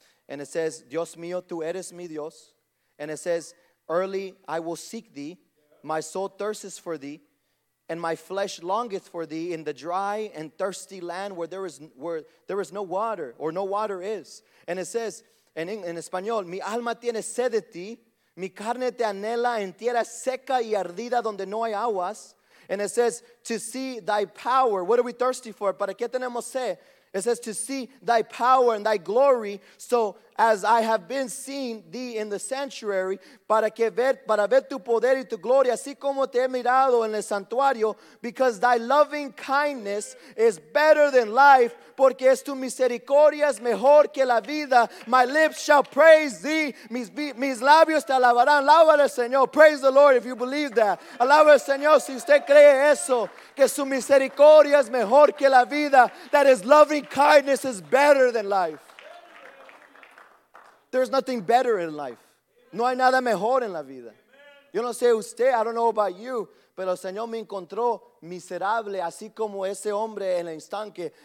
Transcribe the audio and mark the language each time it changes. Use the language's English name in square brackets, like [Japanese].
[English] And it says, [Spanish] Dios mío, tú eres mi Dios. [English] And it says, early I will seek thee. My soul thirsts for thee. And my flesh longeth for thee in the dry and thirsty land where there is no water, or no water is. And it says, in Español, [Spanish] mi alma tiene sed de ti. Mi carne te anhela en tierra seca y ardida donde no hay aguas. [English] And it says, to see thy power. What are we thirsty for? [Spanish] ¿Para qué tenemos sed? [English] It says, to see thy power and thy glory. So as I have been seeing thee in the sanctuary, [Spanish] para ver tu poder y tu gloria, así como te he mirado en el santuario, [English] because thy loving kindness is better than life, [Spanish] porque es tu misericordia es mejor que la vida. [English] My lips shall praise thee. [Spanish] Mis labios te alabarán. Alaba al Señor. [English] Praise the Lord if you believe that. [Spanish] Alaba al Señor si usted cree eso, que su misericordia es mejor que la vida. [English] That his loving kindness is better than life. There's nothing better in life. [Spanish] No hay nada mejor en la vida. Yo no sé usted, [English] I don't know about you, [Spanish] pero el Señor me encontró miserable, así como ese hombre en el estanque.